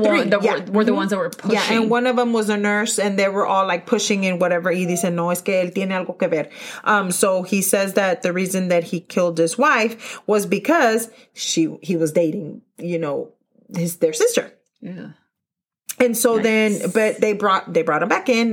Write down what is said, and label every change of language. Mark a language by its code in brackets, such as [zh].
[en] The other three were the ones that were pushing. Yeah, and one of them was a nurse, and they were all, like, pushing and whatever. [es] Y dice, no, es que él tiene algo que ver. [en] So he says that the reason that he killed his wife was because he was dating, you know, their sister. Yeah. And so but they brought him back in.